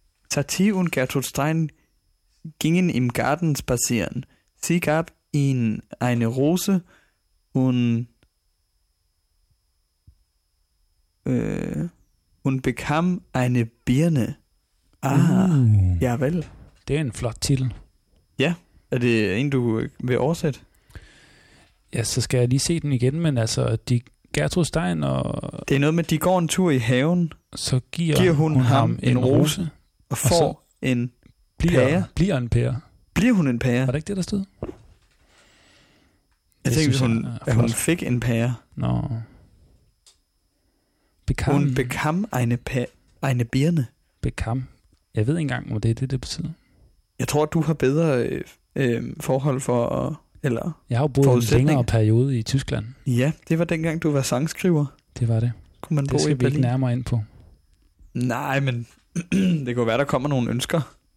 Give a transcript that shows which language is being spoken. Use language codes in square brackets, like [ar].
[de] Satie und Gertrud Stein gingen im Garten spazieren. Sie gab ihnen eine Rose und und bekam eine Birne. [da] Ah, ja vel. Det er en flot titel. Ja, er det en, du vil oversætte? Ja, så skal jeg lige se den igen, men altså, de Gertrud Stein og... Det er noget med, de går en tur i haven, så giver hun ham en rose, og får og en pære. Bliver en pære. Bliver hun en pære? Var det ikke det, der stod? Jeg tænkte, hun fik en pære. Nå. [de] Bekam. [da] Hun [de] bekam eine [da] pære, [de] eine birne. Bekam. [da] Jeg ved ikke engang, hvor det betyder. Jeg tror, du har bedre forhold for... Eller jeg har jo boet en længere periode i Tyskland. Ja, det var dengang, du var sangskriver. Det var det. Kunne man det bo skal i vi ikke nærmere ind på. Nej, men det kunne være, der kommer nogle ønsker.